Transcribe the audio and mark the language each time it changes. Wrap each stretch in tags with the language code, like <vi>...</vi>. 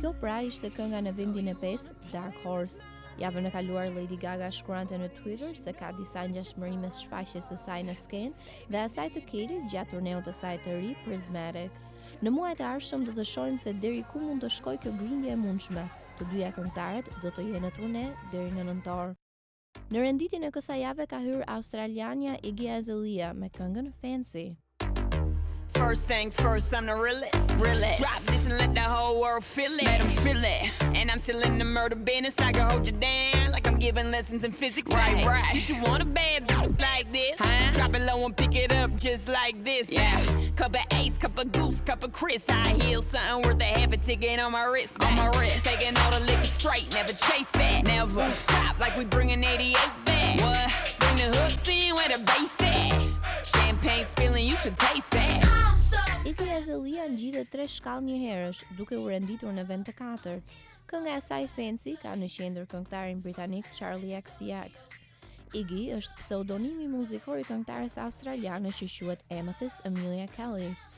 <sq>Kjo pra ishte kënga në vendin e 5, Dark Horse. Javën e kaluar, Lady Gaga shkruante në Twitter se ka disa ngjashmërime me shfaqjes së saj në skenë dhe asaj të Katy gjatë turneut të saj të ri Prismatic. Në muajt e arshëm do të shohim se deri ku mund të shkojë kjo grindje e mundshme. Të dyja këngëtaret do të jenë në turne deri në nëntor. Në renditjen e kësaj jave ka hyrë australiania Iggy Azalea me këngën Fancy.</sq> <en>First things first, I'm the realest. Realest. Drop this and let the whole world feel it. Let them feel it. And I'm still in the murder business. I can hold you down like I'm giving lessons in physics. Right, right. Right. You should want a bad bitch like this. Huh? Drop it low and pick it up just like this. Yeah. Cup of Ace, cup of Goose, cup of Chris. I heal something worth a half a ticket on my wrist. Back. On my wrist. Taking all the liquor straight. Never chase that. Never. Top like we bringing 88 back. What? Bring the hooks in where the bass at. Champagne spilling, you should taste that.</en> <sq>Iggy Azalea ngjitet 3 shkallë një herësh, duke u renditur në vend të 4. Kënga e saj Fancy ka në qendër këngëtarin britanik Charlie XCX. Iggy është pseudonimi muzikor i këngëtares australiane që quhet Amethyst Amelia Kelly.</sq>